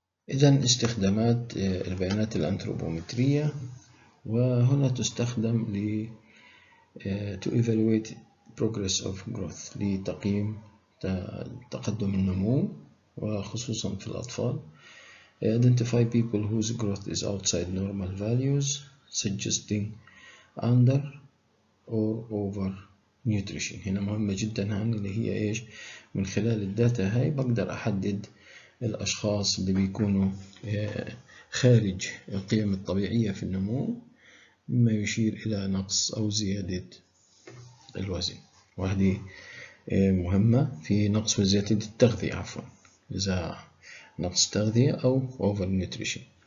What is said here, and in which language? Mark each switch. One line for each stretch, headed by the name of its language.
Arabic: إذن استخدامات البيانات الأنثروبومترية، وهنا تستخدم ل
English: to evaluate progress of growth،
Arabic: لتقييم تقدم النمو وخصوصا في الأطفال.
English: Identify people whose growth is outside normal values suggesting under or over nutrition.
Arabic: هنا مهمة جدا هاني، اللي هي ايش؟ من خلال الداتا هاي بقدر احدد الاشخاص اللي بيكونوا خارج القيم الطبيعية في النمو، مما يشير إلى نقص أو زيادة الوزن، وهذه مهمة في نقص وزيادة التغذية عفوا، إذا نقص تغذية أو over nutrition.